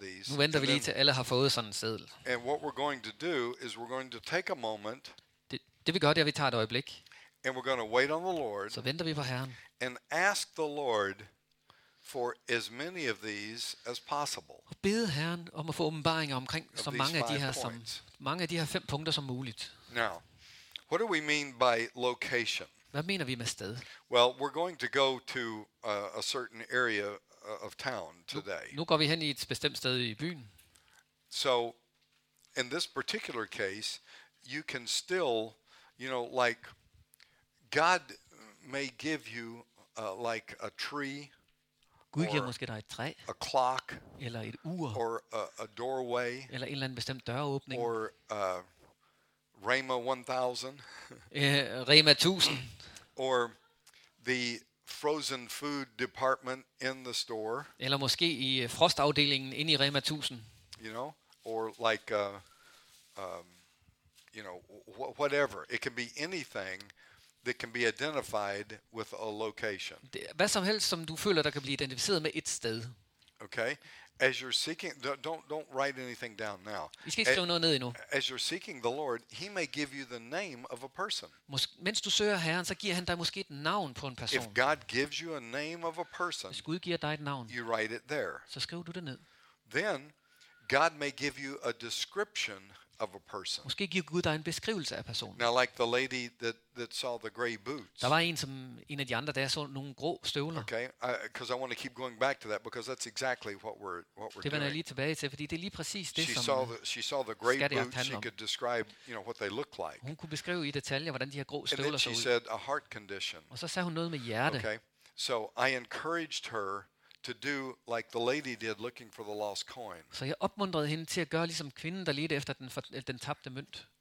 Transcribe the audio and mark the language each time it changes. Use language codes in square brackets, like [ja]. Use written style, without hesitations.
[da] nu venter vi lige til alle har fået sådan en seddel. [en] And what we're going to do is we're going to take a moment. [da] Det vi gør, det er, at vi tager et øjeblik. [en] And we're going to wait on the Lord. [da] Så venter vi på Herren. [en] And ask the Lord for as many of these as possible. [da] Og bede Herren om at få åbenbaringer omkring så mange af de her mange af de her 5 punkter som muligt. [en] Now, what do we mean by location? [da] Hvad mener vi med sted? [en] Well, we're going to go to a certain area of town today. [da] Nu går vi hen i et bestemt sted i byen. [en] So in this particular case, you can still, you know, like God may give you like a tree. [da] Gud giver måske dig et træ, [en] a clock, [da] eller et ur, [en] or a doorway, [da] eller en eller anden bestemt døråbning, [en] or Rhema 1000, Rhema 1000, or the frozen food department in the store, [da] eller måske i frostafdelingen ind i Rhema 1000, [en] you know, or like you know, whatever, it can be anything that can be identified with a location. [da] Hvad som helst som du føler der kan blive identificeret med et sted. Okay. [en] As you're seeking, don't write anything down now. [da] Vi skal ikke skrive noget ned endnu. [en] As you're seeking the Lord, he may give you the name of a person. [da] Mens du søger Herren, så giver han dig måske et navn på en person. [en] If God gives you a name of a person, [da] hvis Gud giver dig et navn, [en] you write it there. [da] Så skriver du det ned. [en] Then God may give you a description of a person. [da] Måske giver Gud dig en beskrivelse af personen. [en] Now like the lady that saw the gray boots. [da] Der var en af de andre der så nogle grå støvler. [en] Okay, because I want to keep going back to that because that's exactly what we're doing. [da] Det vender lige tilbage til, fordi det er lige præcis det [en] she [da] som [en] she saw the gray boots. She could describe, you know, what they look like. [da] Hun kunne beskrive i detaljer hvordan de her grå støvler så ud. [en] And then she said a heart condition. [da] Og så sagde hun noget med hjerte. Okay. [en] So I encouraged her to do like the lady did looking for the lost coin. [da] Så jeg opmuntrede hende til at gøre ligesom kvinden der ledte efter den tabte mønt.